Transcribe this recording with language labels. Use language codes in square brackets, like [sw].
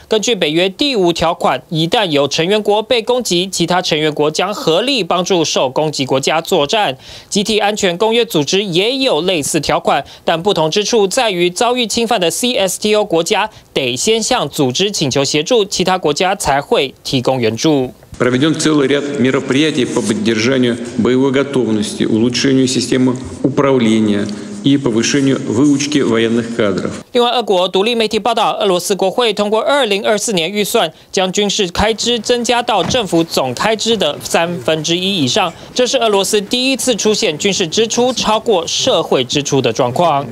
[zh] 根据北约第5条款，一旦有成员国被攻击，其他成员国将合力帮助受攻击国家作战。集体安全公约组织也有类似条款，但不同之处在于遭遇侵犯的 CSTO 国家得先向组织请求协助，其他国家才会提供援助。 [ru] Проведен целый ряд мероприятий по поддержанию боевой готовности, улучшению системы управления. [zh] 以及提升武器的训练人员。另外，俄国独立媒体报道，俄罗斯国会通过2024年预算，将军事开支增加到政府总开支的1/3以上。这是俄罗斯第一次出现军事支出超过社会支出的状况。